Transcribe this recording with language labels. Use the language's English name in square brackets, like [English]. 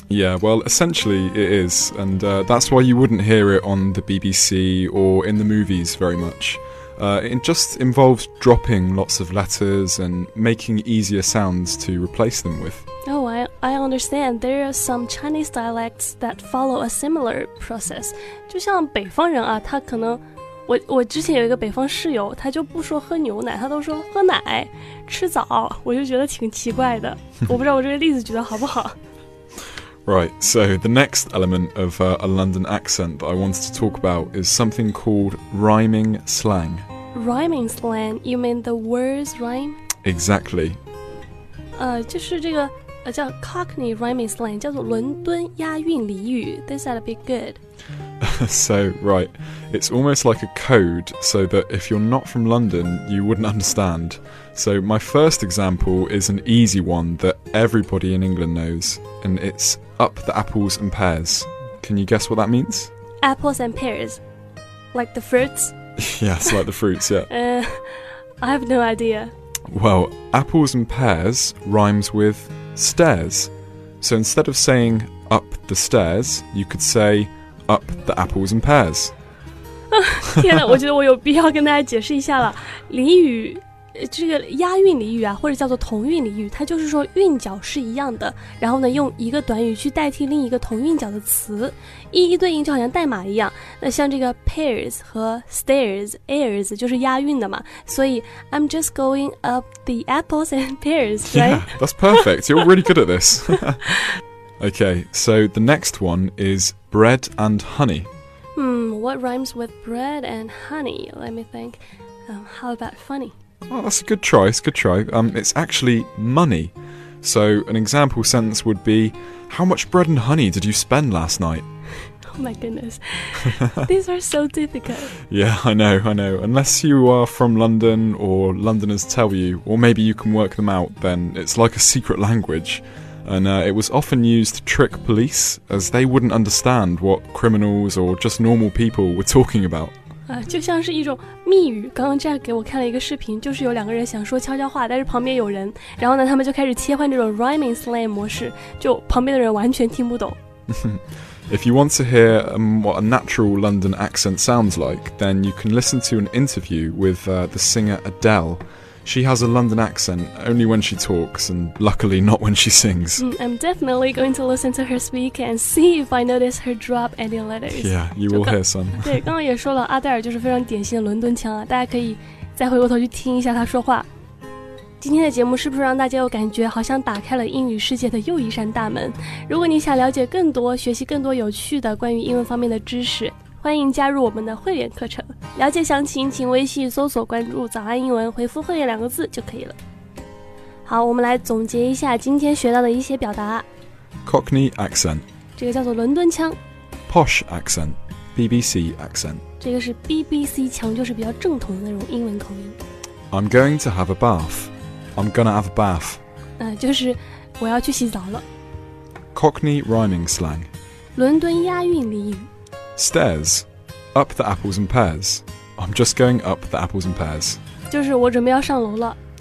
[English] Yeah, well, essentially it is. And that's why you wouldn't hear it on the BBC or in the movies very much. It just involves dropping lots of letters and making easier sounds to replace them with. Oh, I understand. There are some Chinese dialects that follow a similar process. [Chinese] 就像北方人啊，他可能我之前有一个北方室友，他就不说喝牛奶，他都说喝奶、吃枣，我就觉得挺奇怪的。我不知道我这个例子举得好不好。 [English] Right, so the next element of a London accent that I wanted to talk about is something called rhyming slang. Rhyming slang? You mean the words rhyme? Exactly. [Chinese] 就是这个叫 Cockney rhyming slang, 叫做伦敦押韵俚语。 [English] This ought to be good. So, right, it's almost like a code so that if you're not from London, you wouldn't understand. So my first example is an easy one that everybody in England knows, and it's up the apples and pears. Can you guess what that means? Apples and pears. Like the fruits? Yes, like the fruits, yeah. I have no idea. Well, apples and pears rhymes with stairs. So instead of saying up the stairs, you could say... up the apples and pears. [Chinese] 天哪，我觉得我有必要跟大家解释一下了。俚语，这个押韵俚语啊，或者叫做同韵俚语，它就是说韵脚是一样的，然后呢，用一个短语去代替另一个同韵脚的词，一一对应，就好像代码一样。那像这个 pears 和 stairs, airs 就是押韵的嘛，所以 [English] I'm just going up the apples and pears, right? Yeah, that's perfect. You're really good at this. Okay, so the next one is... Bread and honey. What rhymes with bread and honey? Let me think. How about funny? Oh, that's a good try. It's a good try. It's actually money. So an example sentence would be, how much bread and honey did you spend last night? Oh my goodness. These are so difficult. Yeah, I know. Unless you are from London or Londoners tell you, or maybe you can work them out, then it's like a secret language. And it was often used to trick police, as they wouldn't understand what criminals or just normal people were talking about. [Chinese] 就像是一种密语。刚刚Jack给我看了一个视频，就是有两个人想说悄悄话，但是旁边有人。然后呢，他们就开始切换这种rhyming slang模式，就旁边的人完全听不懂。 [English] If you want to hear what a natural London accent sounds like, then you can listen to an interview with the singer Adele. She has a London accent only when she talks, and luckily not when she sings. I'm definitely going to listen to her speak and see if I notice her drop any letters. Yeah, you will hear some. [Chinese] 对，刚刚也说了，阿黛尔就是非常典型的伦敦腔啊，大家可以再回过头去听一下她说话。今天的节目是不是让大家有感觉好像打开了英语世界的又一扇大门？如果你想了解更多，学习更多有趣的关于英文方面的知识，欢迎加入我们的会员课程。了解详情请微信搜索关注早安英文，回复会员两个字就可以了。好，我们来总结一下今天学到的一些表达。 [English] Cockney accent， [Chinese] 这个叫做伦敦腔。 [English] Posh accent， BBC accent， [Chinese] 这个是 BBC 腔，就是比较正统的那种英文口音。 [English] I'm going to have a bath， I'm gonna have a bath， [Chinese] 就是我要去洗澡了。 [English] Cockney rhyming slang， [Chinese] 伦敦押韵俚语。 [English] Stairs, up the apples and pears. I'm just going up the apples and pears. [Chinese] 就是我准备要上楼了。